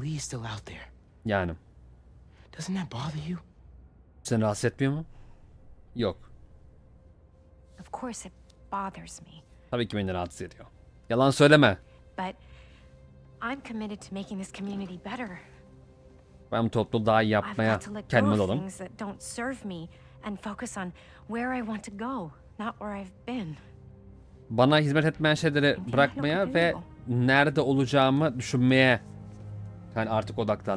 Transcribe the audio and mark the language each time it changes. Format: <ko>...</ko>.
<en>Lee's still out there.</en> <tr>Yani.</tr> <en>Doesn't that bother you?</en> <tr>Seni rahatsız etmiyor mu? Yok.</tr> <en>Of course it bothers me.</en> <tr>Tabii ki beni rahatsız ediyor. Yalan söyleme.</tr> <en>But I'm committed to making this community better.</en> <tr>Ben bu topluluğu daha iyi yapmaya kendim olalım.</tr> <en>I've got to let go of things that don't serve me and focus on where I want to go, not where I've been.</en> <tr>Bana hizmet etmeyen şeyleri bırakmaya ve nerede olacağımı düşünmeye yani artık odaklan.</tr>